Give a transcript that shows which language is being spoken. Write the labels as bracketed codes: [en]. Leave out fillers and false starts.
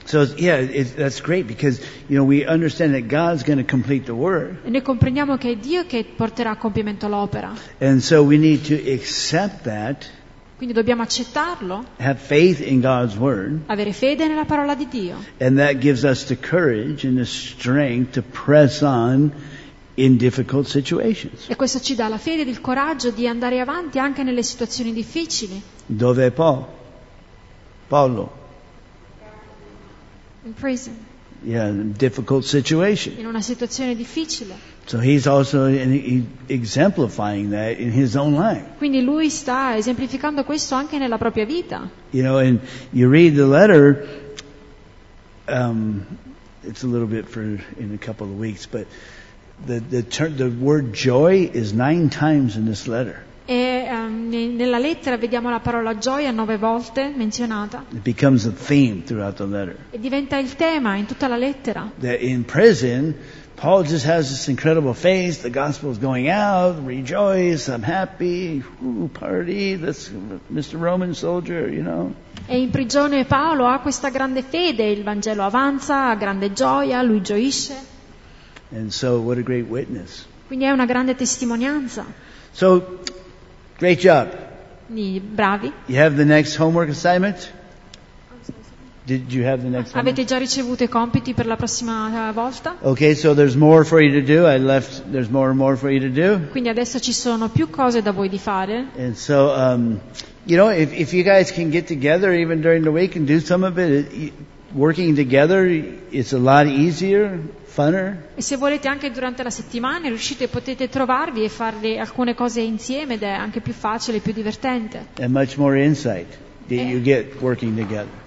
[en] So yeah, that's great because you know we understand that God's going to complete the work. [it] E noi comprendiamo che è Dio che porterà a compimento l'opera. [en] And so we need to accept that. [it] Quindi dobbiamo accettarlo. [en] Have faith in God's word. [it] Avere fede nella parola di Dio. [en] And that gives us the courage and the strength to press on in difficult situations. [it] E questo ci dà la fede e il coraggio di andare avanti anche nelle situazioni difficili. Dove è Paul? Paolo. [en] In prison. Yeah, difficult situation. [it] In una situazione difficile. [en] So he's also exemplifying that in his own life. [it] Quindi lui sta esemplificando questo anche nella propria vita. [en] You know, and you read the letter. It's a little bit for in a couple of weeks, but the word joy is 9 times in this letter. [it] E nella lettera vediamo la parola gioia 9 volte menzionata. [en] It becomes a theme throughout the letter. [it] E diventa il tema in tutta la lettera. [en] That in prison, Paul just has this incredible face. The gospel is going out. Rejoice! I'm happy. Ooh, party! That's Mr. Roman soldier, you know. [it] E in prigione Paolo ha questa grande fede. Il Vangelo avanza, ha grande gioia. Lui gioisce. [en] And so, what a great witness! [it] Quindi è una grande testimonianza. [en] So. Great job. [it] Bravi. [en] You have the next homework assignment? Did you have the next [it] Avete homework? Già ricevuto i compiti per la prossima volta? [en] Okay, so there's more for you to do. I left, there's more and more for you to do. [it] Quindi adesso ci sono più cose da voi di fare. [en] And so, you know, if you guys can get together even during the week and do some of it, working together, it's a lot easier. Funner. [it] E se volete anche durante la settimana riuscite potete trovarvi e farvi alcune cose insieme ed è anche più facile e più divertente. [en] And much more insight that you get working together.